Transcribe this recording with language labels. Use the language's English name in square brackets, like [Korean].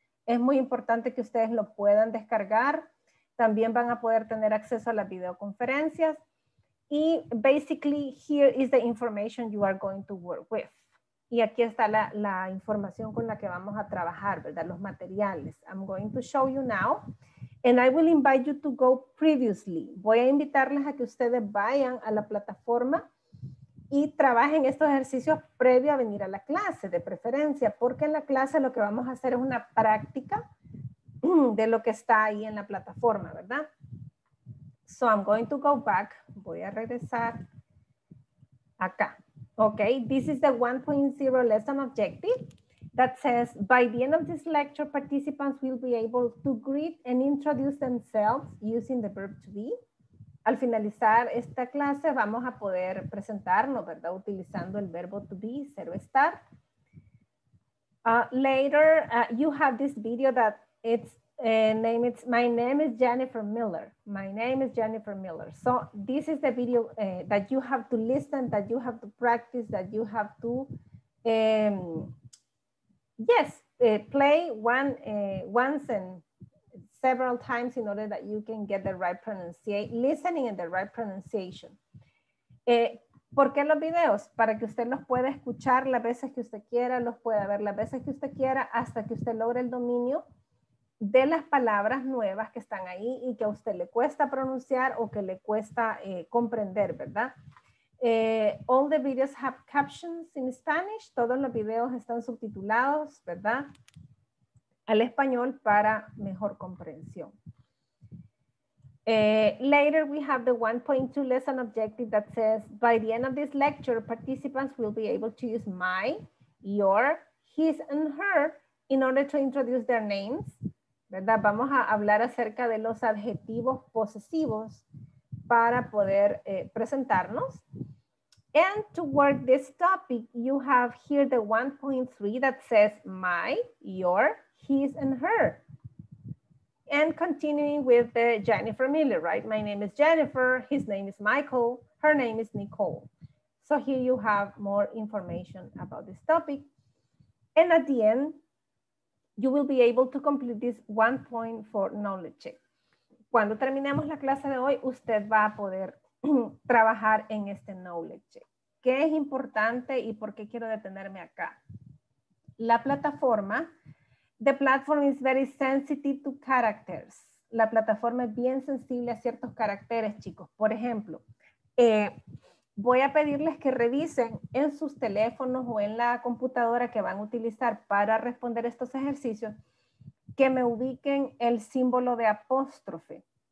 [Spanish] Es muy importante que ustedes lo puedan descargar. También van a poder tener acceso a las videoconferencias. Y [English] basically here is the information you are going to work with. [Spanish] Y aquí está la información con la que vamos a trabajar, ¿verdad? Los materiales. [English] I'm going to show you now. And I will invite you to go previously. [Spanish] Voy a invitarles a que ustedes vayan a la plataforma y trabajen estos ejercicios previo a venir a la clase, de preferencia, porque en la clase lo que vamos a hacer es una práctica de lo que está ahí en la plataforma, ¿verdad? [English] So I'm going to go back. [Spanish] Voy a regresar acá. [English] Okay, this is the 1.0 lesson objective that says, by the end of this lecture, participants will be able to greet and introduce themselves using the verb to be. [Spanish] Al finalizar esta clase, vamos a poder presentarnos, ¿verdad? Utilizando el verbo to be, ser o estar. [English] Later, you have this video that it's my name is Jennifer Miller. My name is Jennifer Miller. So this is the video that you have to listen, that you have to practice, that you have to, play once and several times in order that you can get the right listening and the right pronunciation. [Spanish] ¿Por qué los videos? Para que usted los pueda escuchar las veces que usted quiera, los pueda ver las veces que usted quiera, hasta que usted logre el dominio de las palabras nuevas que están ahí y que a usted le cuesta pronunciar o que le cuesta comprender, ¿verdad? [English] All the videos have captions in Spanish. [Spanish] Todos los videos están subtitulados, ¿verdad? Al español para mejor comprensión. [English] Later we have the 1.2 lesson objective that says, by the end of this lecture, participants will be able to use my, your, his and her in order to introduce their names. [Spanish] ¿Verdad? Vamos a hablar acerca de los adjetivos posesivos para poder presentarnos. [English] And to work this topic, you have here the 1.3 that says my, your, his, and her. And continuing with the Jennifer Miller, right? My name is Jennifer, his name is Michael, her name is Nicole. So here you have more information about this topic. And at the end, you will be able to complete this 1.4 knowledge check. [Spanish] Cuando terminemos la clase de hoy, usted va a poder trabajar en este knowledge check. ¿Qué es importante y por qué quiero detenerme acá? La plataforma, [English] the platform is very sensitive to characters. [Spanish] La plataforma es bien sensible a ciertos caracteres, chicos. Por ejemplo, voy a pedirles que revisen en sus teléfonos o en la computadora que van a utilizar para responder estos ejercicios, que me ubiquen el símbolo de apóstrofe.